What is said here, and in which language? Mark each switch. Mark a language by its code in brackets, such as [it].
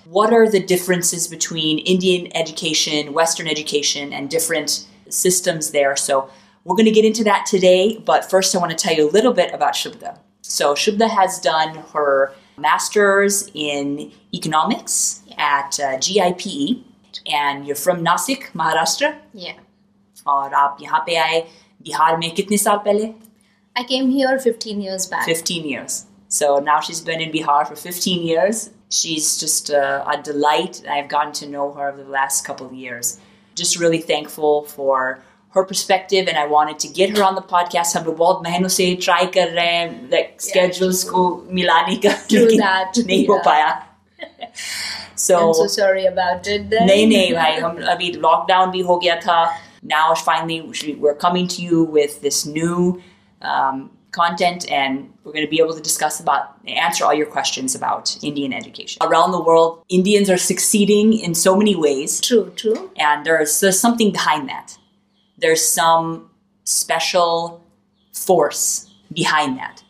[en] What are the differences between Indian education, Western education, and different systems there? So we're going to get into that today. But first, I want to tell you a little bit about Shubhda. So Shubhda has done her master's in economics at GIPE. And you're from Nasik, Maharashtra? Yeah. And [hi] आप यहाँ पे आए बिहार में कितने साल पहले? [en] I came here 15 years back. 15 years. So now she's been in Bihar for 15 years. She's just a delight. I've gotten to know her over the last couple of years. Just really thankful for her perspective, and I wanted to get her on the podcast. [hi] हम लोग बहुत मेहनत से try कर रहे हैं, like schedules को मिलाने का, lekin nahi हो पाया. [en] So I'm so sorry about it. [hi] नहीं, lockdown भी हो गया था. [en] Now finally we're coming to you with this new content, and we're going to be able to discuss about, answer all your questions about Indian education. Around the world, Indians are succeeding in so many ways. True. And there's something behind that. There's some special force behind that.